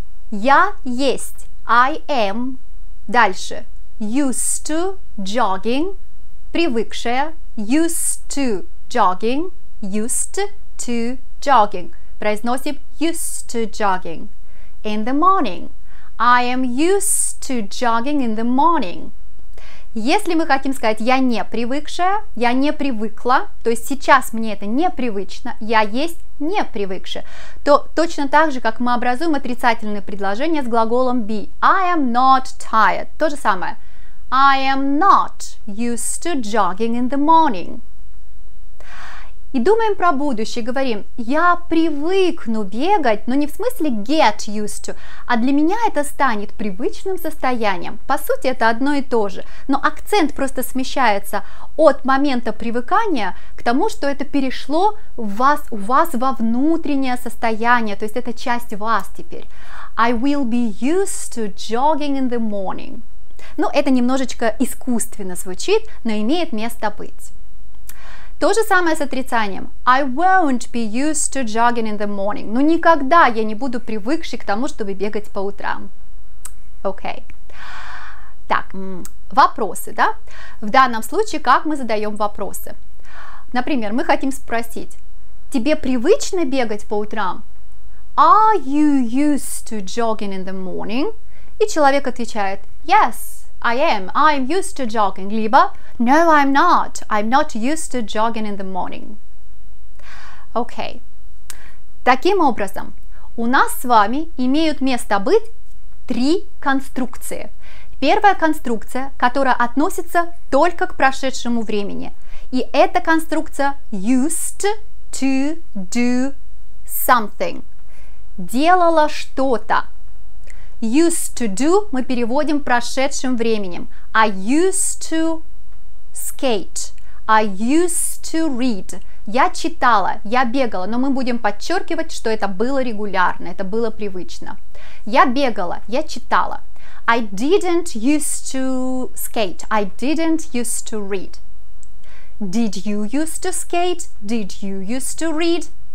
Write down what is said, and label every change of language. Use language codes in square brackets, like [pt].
[en] «Я есть», «I am», дальше «used to jogging», «привыкшая», «used to jogging», «used to jogging», произносим «used to jogging», «in the morning», I am used to jogging in the morning. [ru] Если мы хотим сказать «я не привыкшая», «я не привыкла», то есть сейчас мне это непривычно, «я есть не привыкшая», то точно так же, как мы образуем отрицательные предложения с глаголом be. [en] I am not tired. То же самое. I am not used to jogging in the morning. [ru] И думаем про будущее, говорим, я привыкну бегать, но не в смысле get used to, а для меня это станет привычным состоянием. По сути, это одно и то же, но акцент просто смещается от момента привыкания к тому, что это перешло в вас, у вас во внутреннее состояние, то есть это часть вас теперь. [en] I will be used to jogging in the morning. [ru] Ну, это немножечко искусственно звучит, но имеет место быть. То же самое с отрицанием. [en] I won't be used to jogging in the morning. [ru] Ну, никогда я не буду привыкшей к тому, чтобы бегать по утрам. Окей. Так, вопросы, да? В данном случае, как мы задаем вопросы? Например, мы хотим спросить, тебе привычно бегать по утрам? [en] Are you used to jogging in the morning? И человек отвечает, yes. I am, I'm used to jogging. Либо, no, I'm not used to jogging in the morning. Okay. [ru] Таким образом, у нас с вами имеют место быть три конструкции. Первая конструкция, которая относится только к прошедшему времени. [en] И это конструкция used to do something. [ru] Делала что-то. Used to do мы переводим прошедшим временем. [en] I used to skate. I used to read. [ru] Я читала, я бегала, но мы будем подчеркивать, что это было регулярно, это было привычно. [en] Я бегала, я читала. I didn't used to skate. I didn't used to read. Did you used to skate? Did you used to read?